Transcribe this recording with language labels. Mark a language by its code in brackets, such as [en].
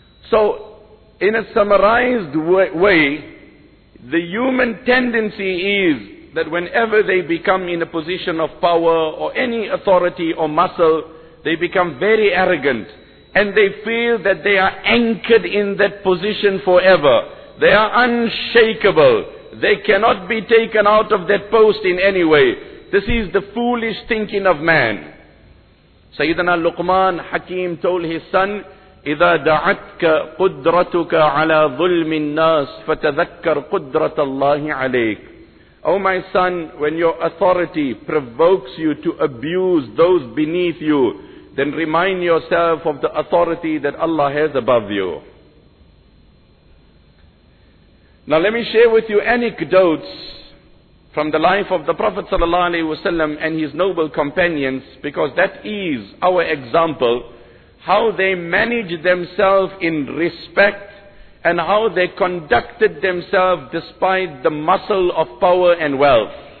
[en] So, in a summarized way, the human tendency is that whenever they become in a position of power or any authority or muscle, they become very arrogant and they feel that they are anchored in that position forever. They are unshakable. They cannot be taken out of that post in any way. This is the foolish thinking of man. Sayyidina Luqman Hakim told his son, [ar] إِذَا دَعَتْكَ قُدْرَتُكَ عَلَى ظُلْمِ النَّاسِ فَتَذَكَّرْ قُدْرَةَ اللَّهِ عَلَيْكَ. [en] O my son, when your authority provokes you to abuse those beneath you, then remind yourself of the authority that Allah has above you. Now let me share with you anecdotes from the life of the Prophet sallallahu alaihi wasallam and his noble companions, because that is our example, how they managed themselves in respect and how they conducted themselves despite the muscle of power and wealth.